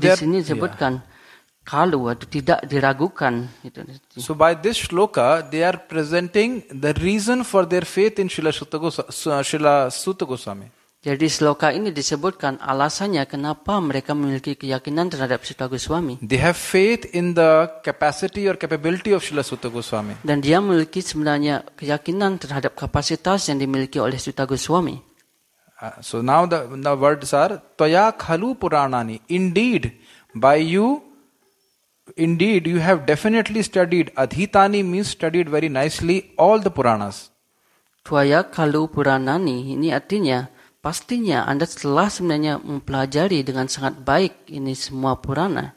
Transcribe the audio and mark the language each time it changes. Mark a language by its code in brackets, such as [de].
[id] di sini disebutkan khalu atau tidak diragukan. Gitu. [en] So by this shloka, they are presenting the reason for their faith in Srila Suta Goswami. [id] Jadi shloka ini disebutkan alasannya kenapa mereka memiliki keyakinan terhadap Suta Goswami. [en] They have faith in the capacity or capability of Srila Suta Goswami. [id] Dan dia memiliki sebenarnya keyakinan terhadap kapasitas yang dimiliki oleh Suta Goswami. [en] So now the words are, Toya khalu puranani. Indeed, by you, indeed, you have definitely studied. Adhitani means studied very nicely all the Puranas. [id] Twaya khalu puranani, ini artinya pastinya Anda telah sebenarnya mempelajari dengan sangat baik ini semua Purana.